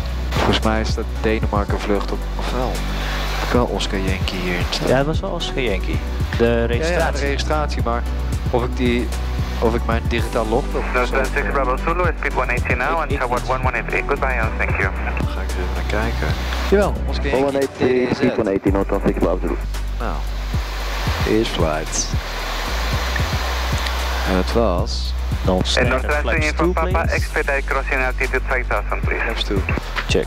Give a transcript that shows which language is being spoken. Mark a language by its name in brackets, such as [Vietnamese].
[Dutch] Volgens mij is dat Denemarken vlucht op, of wel? Wel Oscar Yankee hier. Ja, dat was wel Oscar Yankee. De registratie. Ja, ja, de registratie, maar of ik die, of ik mijn digitaal log of zo. [English] 6 Bravo Zulu, speed 118 now, and toward 118, goodbye, and thank you. [Dutch] Dan ga ik eens even naar kijken. Jawel, Oscar Yankee. [English] 118, speed 118, not on 6 Bravo Zulu. [Dutch] Nou, eerst flight. En het was... [English] En Noord-Transit Info Papa, expedite crossing altitude 5000, please. Flaps 2. Check.